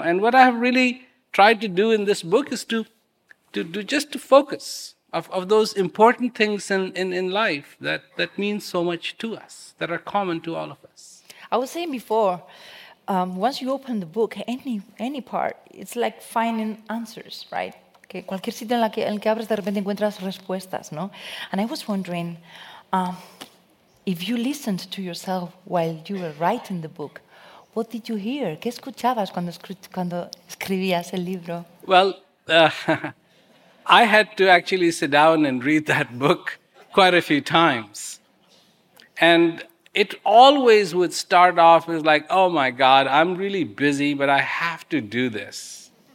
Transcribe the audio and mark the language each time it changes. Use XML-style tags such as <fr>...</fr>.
<en>And what I have really tried to do in this book is to focus of those important things in life that means so much to us, that are common to all of us. I was saying before, once you open the book, any part, it's like finding answers, right?</en> <es>Que cualquier sitio en el que abres, de repente encuentras respuestas, ¿no?</es> <en>And I was wondering, if you listened to yourself while you were writing the book, what did you hear?</en> <es>¿Qué escuchabas cuando escribías el libro?</es> <en>Well, I had to actually sit down and read that book quite a few times. And it always would start off as like, oh my God, I'm really busy, but I have to do this.</en>